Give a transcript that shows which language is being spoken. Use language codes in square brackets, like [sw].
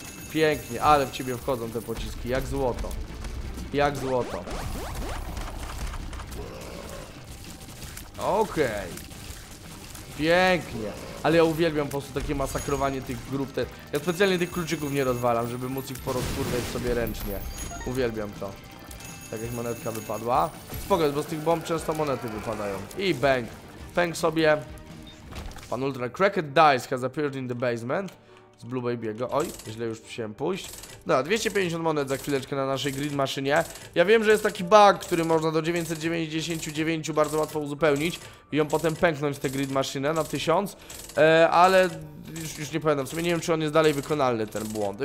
[pl] Pięknie, ale w ciebie wchodzą te pociski. Jak złoto. Jak złoto. Okej. pięknie. Ale ja uwielbiam po prostu takie masakrowanie tych grup. Ja specjalnie tych kluczyków nie rozwalam, żeby móc ich porozkurwać sobie ręcznie. Uwielbiam to. Jakaś monetka wypadła. Spoko, bo z tych bomb często monety wypadają. I bang. Pęk sobie. [en] Pan Ultra Cracked Dice has appeared in the basement. [pl] Z Blue Baby'ego. Oj, źle już musiałem pójść. No, 250 monet za chwileczkę na naszej grid maszynie. Ja wiem, że jest taki bug, który można do 999 bardzo łatwo uzupełnić i ją potem pęknąć tę grid maszynę na 1000. Ale już nie pamiętam. W sumie nie wiem, czy on jest dalej wykonalny, ten błąd.